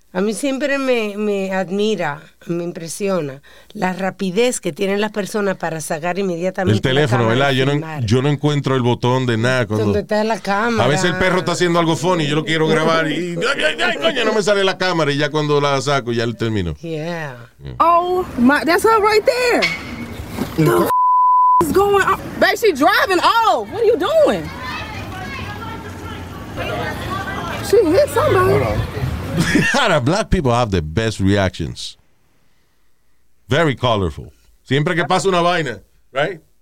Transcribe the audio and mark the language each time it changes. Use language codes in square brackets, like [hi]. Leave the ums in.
[es] A mí siempre me, me admira, me impresiona la rapidez que tienen las personas para sacar inmediatamente. El teléfono, la cámara ¿verdad? y Yo no, filmar. yo no encuentro el botón de nada. cuando- ¿Dónde está la cámara? A veces el perro está haciendo algo funny, yo lo quiero grabar y. ¡Ay, ay, ay, coño! No me sale la cámara y ya cuando la saco ya él terminó. [en] Yeah. Oh my, that's her right there. The is going on? Babe, she driving off. What are you doing? She hit somebody. Cara, black people have the best reactions. Very colorful. [es] Siempre que pasa una vaina, [en] right?